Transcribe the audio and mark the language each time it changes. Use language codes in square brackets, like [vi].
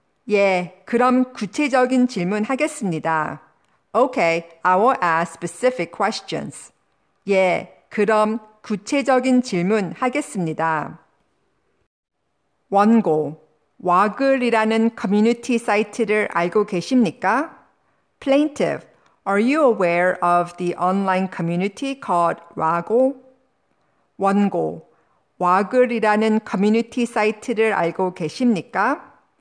[ko] 예, 그럼 구체적인 질문 하겠습니다. [en] Okay, I will ask specific questions. [ko] 예, 그럼 구체적인 질문 하겠습니다. 원고, 와글이라는 커뮤니티 사이트를 알고 계십니까? [en] Plaintiff, are you aware of the online community called WAGO? [ko] 원고, 와글이라는 커뮤니티 사이트를 알고 계십니까?